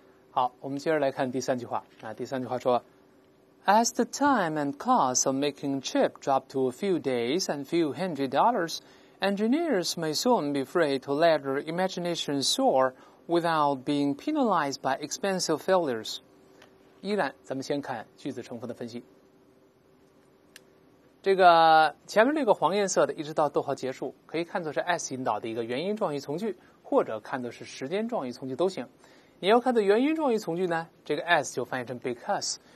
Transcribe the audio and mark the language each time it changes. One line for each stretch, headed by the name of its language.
Chinese: 好，我们接着来看第三句话啊。第三句话说
English: ，As the time and cost of making chip drop to a few days and few hundred dollars, engineers may soon be free to let their imagination soar without being penalized by expensive failures.
Chinese: 依然，咱们先看句子成分的分析。这个前面这个黄颜色的，一直到逗号结束，可以看作是 S 引导的一个原因状语从句，或者看作是时间状语从句都行。你要看到原因状语从句呢，这个 as 就翻译成 because。